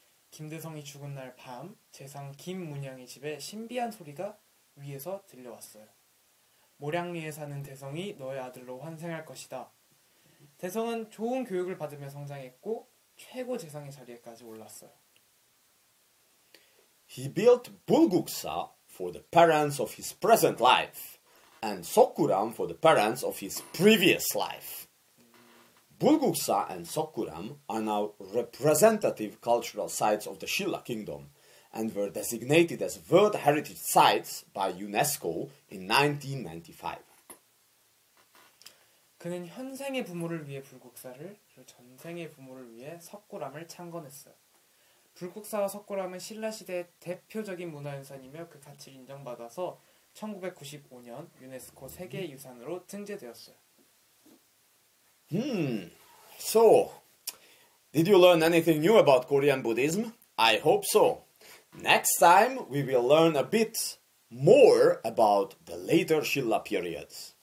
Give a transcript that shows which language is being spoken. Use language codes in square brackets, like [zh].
[ko] 김대성이 죽은 날 밤, 재상 김문양의 집에 신비한 소리가 위에서 들려왔어요. 모량리에 사는 대성이 너의 아들로 환생할 것이다. 대성은 좋은 교육을 받으며 성장했고 최고 재상의 자리에까지 올랐어요. [en] He built Bulguksa for the parents of his present life and Seokguram for the parents of his previous life. Bulguksa and Seokguram are now representative cultural sites of the Silla Kingdom and were designated as World Heritage Sites by UNESCO in 1995. [ko] 그는 현생의 부모를 위해 불국사를, 그리고 전생의 부모를 위해 석굴암을 창건했어요. 불국사와 석굴암은 신라 시대의 대표적인 문화유산이며 그 가치를 인정받아서 1995년 유네스코 세계유산으로 등재되었어요. [en] So, did you learn anything new about Korean Buddhism? I hope so. Next time, we will learn a bit more about the later Silla periods.